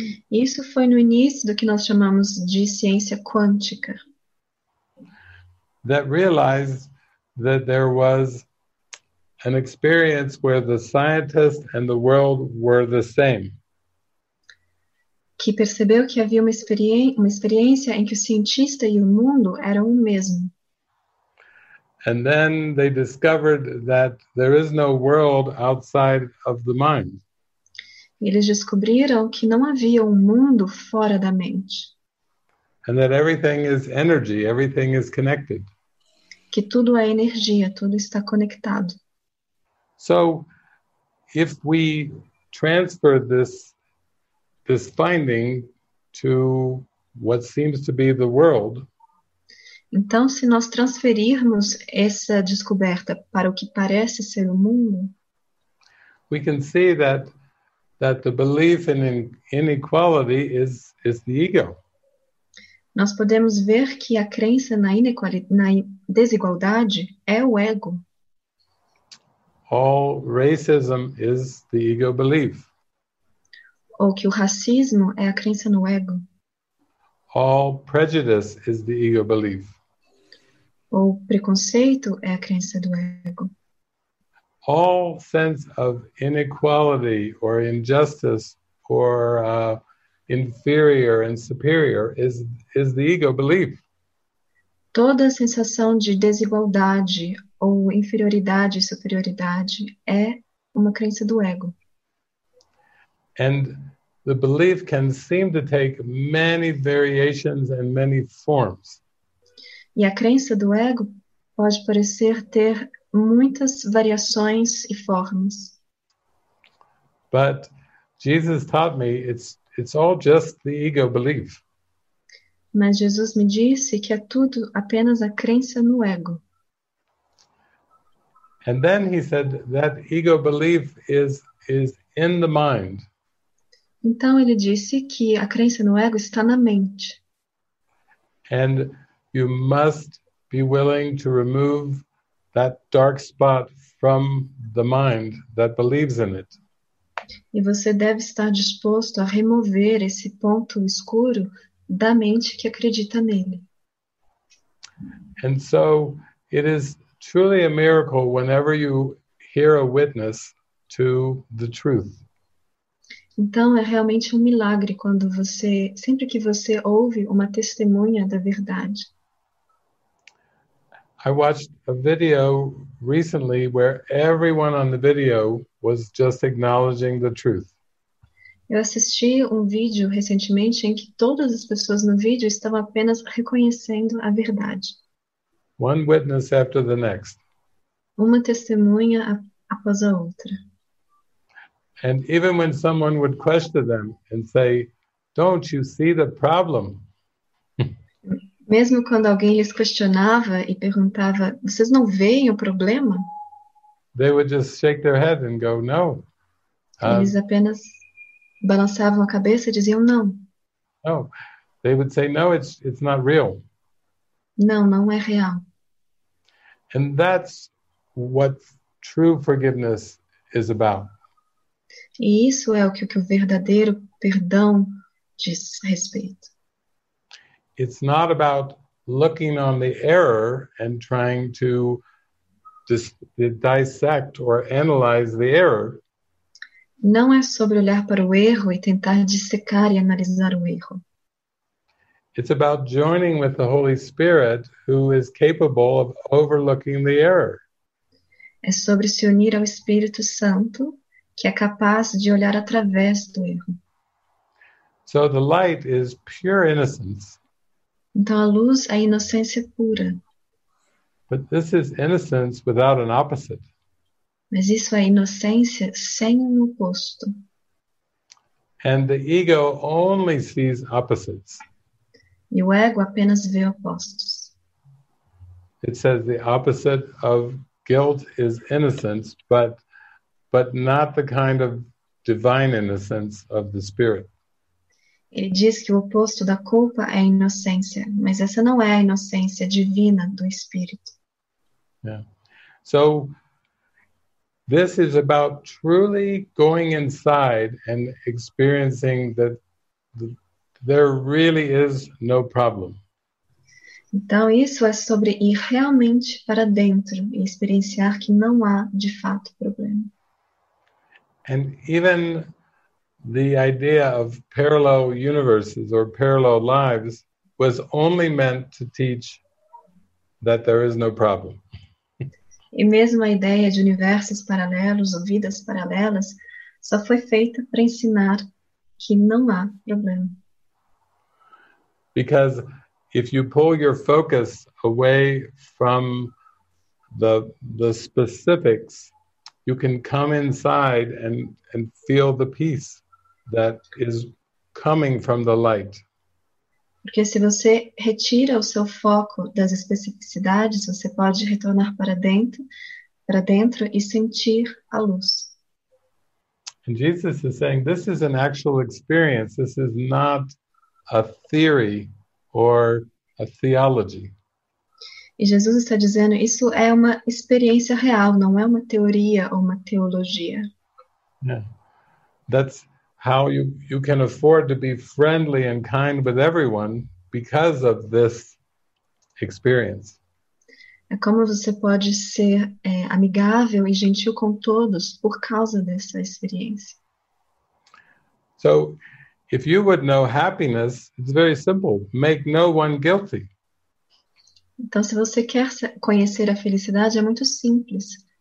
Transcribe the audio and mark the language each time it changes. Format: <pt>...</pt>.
<pt>Isso foi no início do que nós chamamos de ciência quântica.</pt> <en>That realized that there was an experience where the scientist and the world were the same.</en> <pt>Que percebeu que havia uma experiência em que o cientista e o mundo eram o mesmo.</pt> <en>And then they discovered that there is no world outside of the mind.</en> <pt>Eles descobriram que não havia mundo fora da mente.</pt> <en>And that everything is energy, everything is connected.</en> <pt>Que tudo é energia, tudo está conectado.</pt> <en>So, if we transfer this finding to what seems to be the world,</en> <pt>então, se nós transferirmos essa descoberta para o que parece ser o mundo,</pt> <en>we can see that the belief in inequality is the ego.</en> <pt>Nós podemos ver que a crença na desigualdade é o ego.</pt> <en>All racism is the ego belief.</en> <pt>ou que o racismo é a crença no ego.</pt> <en>All prejudice is the ego belief.</en> <pt>Ou preconceito é a crença do ego.</pt> <en>All sense of inequality or injustice or inferior and superior is the ego belief.</en> <pt>Toda sensação de desigualdade ou inferioridade e superioridade é uma crença do ego.</pt> <en>And the belief can seem to take many variations and many forms.</en> <pt>E a crença do ego pode parecer ter muitas variações e formas.</pt> <en>But Jesus taught me it's all just the ego belief.</en> <pt>Mas Jesus me disse que é tudo apenas a crença no ego.</pt> <en>And then he said that ego belief is in the mind.</en> <pt>Então ele disse que a crença no ego está na mente.</pt> <en>And you must be willing to remove that dark spot from the mind that believes in it.</en> <pt>E você deve estar disposto a remover esse ponto escuro da mente que acredita nele.</pt> <en>And so it is truly a miracle whenever you hear a witness to the truth.</en> <pt>Então é realmente um milagre quando você, sempre que você ouve uma testemunha da verdade.</pt> <en>I watched a video recently where everyone on the video was just acknowledging the truth.</en> <pt>Eu assisti um vídeo recentemente em que todas as pessoas no vídeo estavam apenas reconhecendo a verdade.</pt> <en>One witness after the next.</en> <pt>Uma testemunha após a outra.</pt> <en>And even when someone would question them and say, "Don't you see the problem?"</en> <pt>Mesmo quando alguém lhes questionava e perguntava, vocês não veem o problema?</pt> <en>They would just shake their head and go, no.</en> <pt>Eles apenas balançavam a cabeça e diziam não.</pt> <en>No. They would say, no, it's not real.</en> <pt>Não, não é real.</pt> <en>And that's what true forgiveness is about.</en> <pt>E isso é o que o verdadeiro perdão diz respeito.</pt> <en>It's not about looking on the error and trying to dissect or analyze the error.</en> <pt>Não é sobre olhar para o erro e tentar dissecar e analisar o erro.</pt> <en>It's about joining with the Holy Spirit who is capable of overlooking the error.</en> <pt>É sobre se unir ao Espírito Santo que é capaz de olhar através do erro.</pt> <en>So the light is pure innocence.</en> <pt>Então, a luz é a inocência pura.</pt> <en>But this is innocence without an opposite.</en> <pt>Mas isso é inocência sem um oposto.</pt> <en>And the ego only sees opposites.</en> <pt>E o ego apenas vê opostos.</pt> <en>It says the opposite of guilt is innocence, but not the kind of divine innocence of the Spirit.</en> <pt>Ele diz que o oposto da culpa é a inocência, mas essa não é a inocência divina do Espírito.</pt> <en>Yeah. So, this is about truly going inside and experiencing that there really is no problem.</en> <pt>Então, isso é sobre ir realmente para dentro e experienciar que não há, de fato, problema.</pt> <en>And even the idea of parallel universes or parallel lives was only meant to teach that there is no problem.</en> <pt>E mesmo a ideia de universos paralelos ou vidas paralelas só foi feita para ensinar que não há problema.</pt> <en>Because if you pull your focus away from the specifics, you can come inside and feel the peace that is coming from the light.</en> <pt>Porque se você retira o seu foco das especificidades, você pode retornar para dentro e sentir a luz.</pt> <en>And Jesus is saying this is an actual experience. This is not a theory or a theology.</en> <pt>E Jesus está dizendo isso é uma experiência real, não é uma teoria ou uma teologia.</pt> <en>Yeah. That's how you can afford to be friendly and kind with everyone because of this experience.</en> <pt>É como você pode ser amigável e gentil com todos por causa dessa experiência.</pt> <en>So, if you would know happiness, it's very simple. Make no one guilty.</en> <pt>Então, se você quer conhecer a felicidade, é muito simples.</pt>